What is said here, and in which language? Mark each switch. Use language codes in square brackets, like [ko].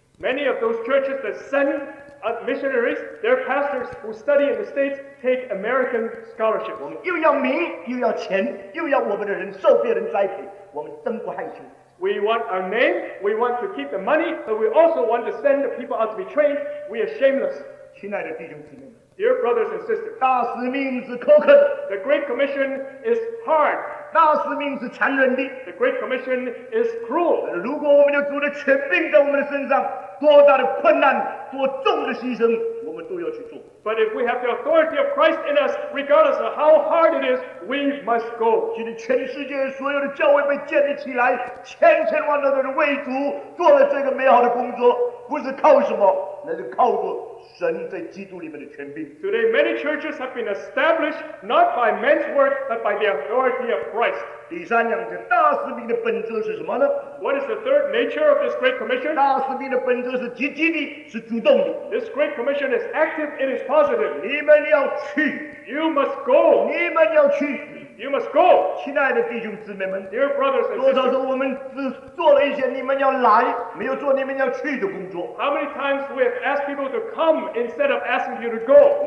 [en] Many of those churches that send missionaries, their pastors who study in the States take American scholarships. [zh] 我们又要名，又要钱，又要我们的人受别人栽培，我们真不害羞。 [en] We want our name, we want to keep the money, but we also want to send the people out to be trained. We are shameless. [zh] 亲爱的弟兄姊妹们。 [en] Dear brothers and sisters, [zh] 大使命是苛刻, [en] the Great Commission is hard. [zh] 大使命是残忍的, [en] the Great Commission is cruel. [zh] 如果我们有主的权柄在我们的身上, 多大的困难, 多重的牺牲, 我们都要去做。 [en] But if we have the authority of Christ in us, regardless of how hard it is, we must go. [zh] 今天全世界所有的教会被建立起来, 千千万万的人为主做了这个美好的工作, 不是靠什么, 那是靠主。 [en] Today, many churches have been established not by men's work, but by the authority of Christ. [zh] 第三样, [en] what is the third nature of this Great Commission? [zh] 大使命的本质是积极的, [en] this Great Commission is active, it is positive. [zh] 你们要去, [en] you must go. [zh] 你们要去, [en] you must go. [zh] 亲爱的弟兄姊妹们, [en] dear brothers and sisters, [zh] 多少说我们只做了一些你们要来, 没有做你们要去的工作, [en] how many times we have asked people to come instead of asking you to go?